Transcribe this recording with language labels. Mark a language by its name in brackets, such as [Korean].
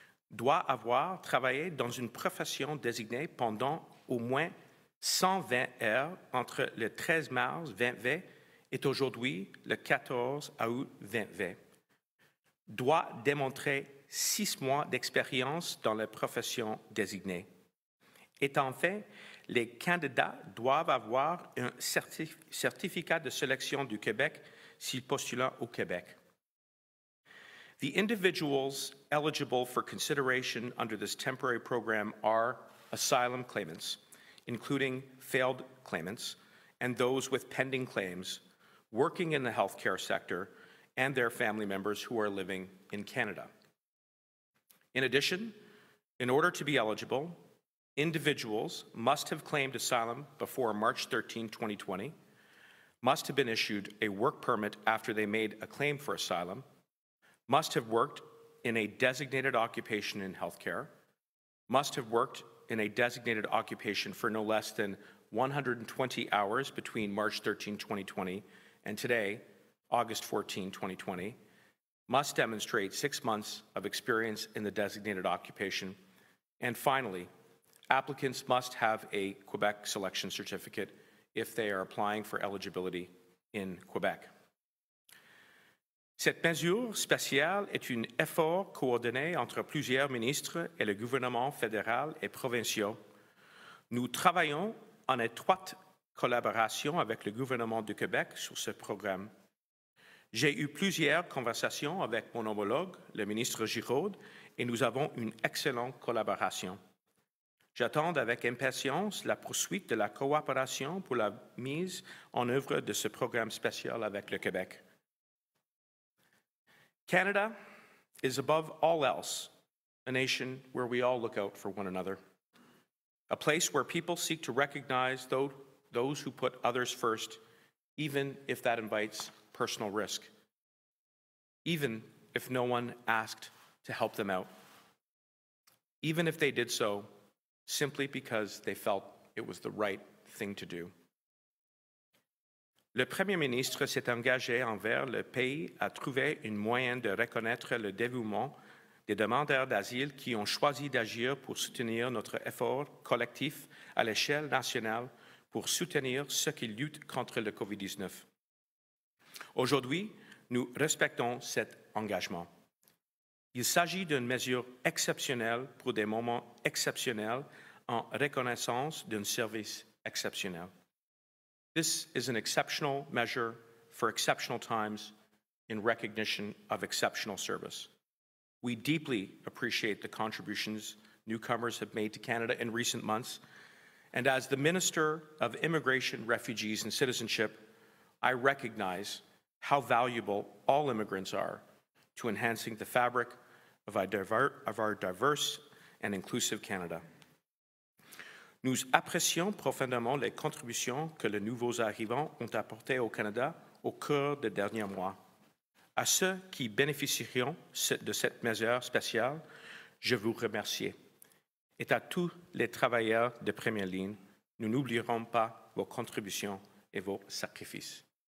[French] doit avoir travaillé dans une profession désignée pendant au moins 120 heures entre le 13 mars 2020 et aujourd'hui le 14 août 2020, doit démontrer 6 mois d'expérience dans la profession désignée. Et enfin, les candidats doivent avoir un certificat de sélection du Québec s'ils postulent au Québec. [English] The individuals eligible for consideration under this temporary program are asylum claimants, including failed claimants, and those with pending claims, working in the healthcare sector, and their family members who are living in Canada. In addition, in order to be eligible, individuals must have claimed asylum before March 13, 2020, must have been issued a work permit after they made a claim for asylum, must have worked in a designated occupation in healthcare, must have worked in a designated occupation for no less than 120 hours between March 13, 2020 and today, August 14, 2020, must demonstrate 6 months of experience in the designated occupation. And finally, applicants must have a Quebec selection certificate if they are applying for eligibility in Quebec. [French] Cette mesure spéciale est un effort coordonné entre plusieurs ministres et le gouvernement fédéral et provincial. Nous travaillons en étroite collaboration avec le gouvernement du Québec sur ce programme. J'ai eu plusieurs conversations avec mon homologue, le ministre Giraud, et nous avons une excellente collaboration. J'attends avec impatience la poursuite de la coopération pour la mise en œuvre de ce programme spécial avec le Québec. [English] Canada is above all else a nation where we all look out for one another, a place where people seek to recognize those who put others first, even if that invites personal risk, even if no one asked to help them out, even if they did so simply because they felt it was the right thing to do. [French] Le Premier ministre s'est engagé envers le pays à trouver un moyen de reconnaître le dévouement des demandeurs d'asile qui ont choisi d'agir pour soutenir notre effort collectif à l'échelle nationale pour soutenir ceux qui luttent contre le COVID-19. Aujourd'hui, nous respectons cet engagement. Il s'agit d'une mesure exceptionnelle pour des moments exceptionnels en reconnaissance d'un service exceptionnel. [English] This is an exceptional measure for exceptional times in recognition of exceptional service. We deeply appreciate the contributions newcomers have made to Canada in recent months. And as the Minister of Immigration, Refugees and Citizenship, I recognize how valuable all immigrants are to enhancing the fabric of our diverse and inclusive Canada. [French] Nous apprécions profondément les contributions que les nouveaux arrivants ont apportées au Canada au cours des derniers mois. À ceux qui bénéficieront de cette mesure spéciale, je vous remercie. Et à tous les travailleurs de première ligne, nous n'oublierons pas vos contributions et vos sacrifices.